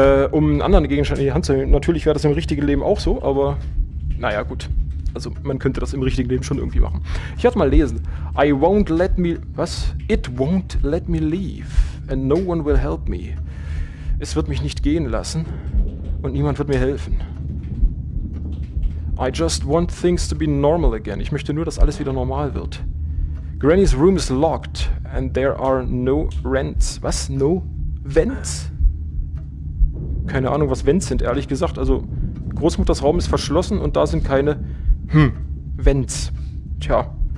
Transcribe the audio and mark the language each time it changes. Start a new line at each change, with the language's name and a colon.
German: Um einen anderen Gegenstand in die Hand zu nehmen. Natürlich wäre das im richtigen Leben auch so, aber naja, gut. Also man könnte das im richtigen Leben schon irgendwie machen. Ich werde mal lesen.
English: I won't let me,
German: was?
English: It won't let me leave and no one will help me.
German: Es wird mich nicht gehen lassen und niemand wird mir helfen.
English: I just want things to be normal again.
German: Ich möchte nur, dass alles wieder normal wird.
English: Granny's room is locked and there are no rents.
German: Was?
English: No vents?
German: Keine Ahnung, was Vents sind, ehrlich gesagt. Also, Großmutters Raum ist verschlossen und da sind keine Vents. Tja.